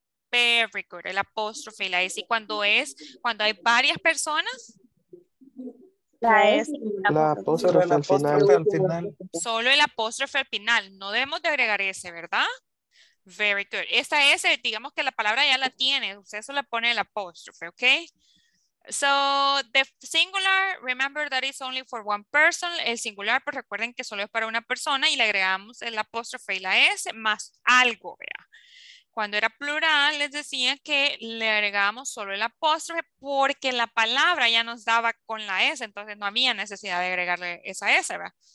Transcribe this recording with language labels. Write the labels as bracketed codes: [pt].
[en] Very good. [es] El apóstrofe y la S. ¿Y cuando es? Cuando hay varias personas. La apóstrofe al final. Solo el apóstrofe al final. No debemos de agregar S, ¿verdad? [en] Very good. [es] Esta S, digamos que la palabra ya la tiene. Usted solo pone el apóstrofe, ¿ok? [en] So, the singular, remember that it's only for one person. [es] El singular, pues recuerden que solo es para una persona y le agregamos el apóstrofe y la S más algo, vea. Cuando era plural, les decía que le agregamos solo el apóstrofe porque la palabra ya nos daba con la S, entonces no había necesidad de agregarle esa S, vea.